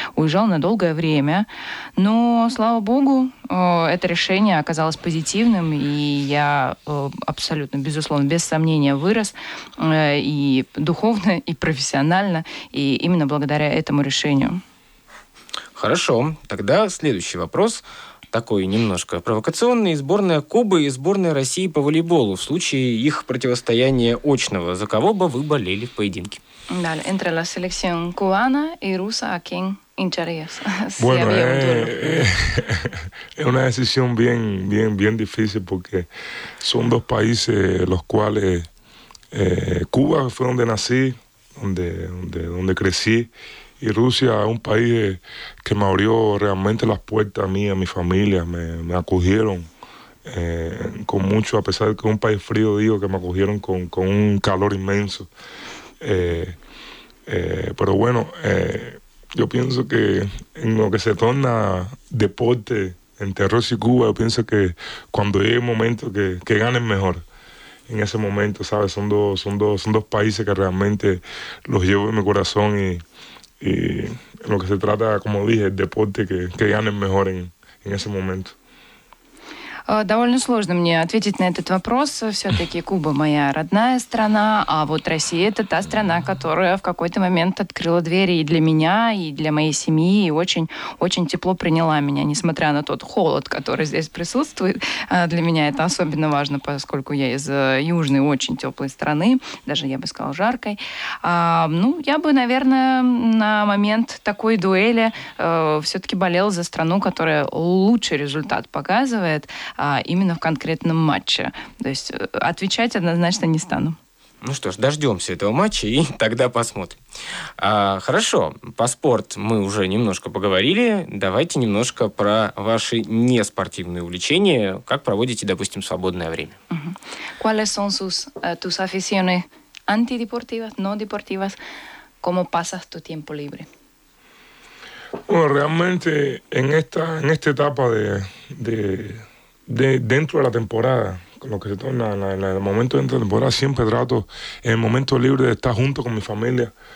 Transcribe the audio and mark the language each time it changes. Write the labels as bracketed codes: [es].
[ru] Уезжал на долгое время. Но, слава богу, это решение оказалось позитивным, и я абсолютно, безусловно, без сомнения вырос и духовно, и профессионально. И именно благодаря этому решению. Хорошо. Тогда следующий вопрос, такой немножко провокационный. Сборная Кубы и сборная России по волейболу. В случае их противостояния очного, за кого бы вы болели в поединке? [es] Да, entre la selección cubana y rusa, ¿a quién hincharías? Bueno, es una decisión bien, bien, bien difícil porque son dos países los cuales Cuba fue donde nací. Donde crecí, y Rusia es un país que me abrió realmente las puertas a mí, a mi familia, me acogieron con mucho, a pesar de que es un país frío, digo que me acogieron con un calor inmenso. Pero bueno, yo pienso que en lo que se torna deporte entre Rusia y Cuba, yo pienso que cuando llegue el momento que ganen mejor. En ese momento, ¿sabes? Son dos países que realmente los llevo en mi corazón y lo que se trata, como dije, el deporte que ganen mejor en ese momento. [ru] Довольно сложно мне ответить на этот вопрос. Все-таки Куба моя родная страна, а вот Россия – это та страна, которая в какой-то момент открыла двери и для меня, и для моей семьи, и очень-очень тепло приняла меня, несмотря на тот холод, который здесь присутствует. Для меня это особенно важно, поскольку я из южной, очень теплой страны, даже, я бы сказала, жаркой. Ну, я бы, наверное, на момент такой дуэли все-таки болела за страну, которая лучший результат показывает именно в конкретном матче. То есть отвечать однозначно не стану. Ну что ж, дождемся этого матча и тогда посмотрим. Хорошо, по спорт мы уже немножко поговорили. Давайте немножко про ваши неспортивные увлечения. Как проводите, допустим, свободное время? [es] ¿Cuáles son tus aficiones antideportivas, no deportivas? ¿Cómo pasas tu tiempo libre? Bueno, realmente en esta etapa de dentro de la temporada, con lo que se torna en el momento dentro de la temporada, siempre trato en el momento libre de estar junto con mi familia.